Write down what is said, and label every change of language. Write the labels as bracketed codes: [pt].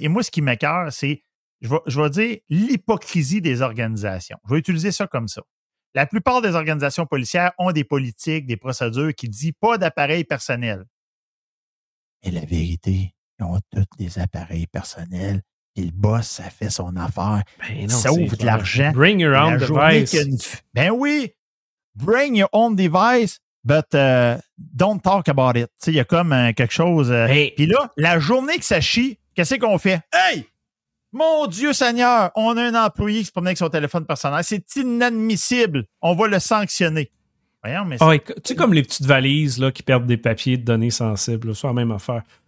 [fr] Et moi, ce qui m'écœure, c'est Je vais dire l'hypocrisie des organisations. Je vais utiliser ça comme ça. La plupart des organisations policières ont des politiques, des procédures qui disent pas d'appareils personnels. Et la vérité, ils ont tous des appareils personnels. Et le boss, ça fait son affaire. Ça ouvre de l'argent. [en] Bring your own device. [fr] Ben oui, [en] bring your own device, but don't talk about it. [fr] Il y a comme quelque chose. Puis là, la journée que ça chie, qu'est-ce qu'on fait? Hey! Mon Dieu Seigneur, on a un employé qui se promenait avec son téléphone personnel. C'est inadmissible. On va le sanctionner. Voyons, mais c'est... Tu sais, comme les petites valises là, qui perdent des papiers de données sensibles, c'est la même affaire.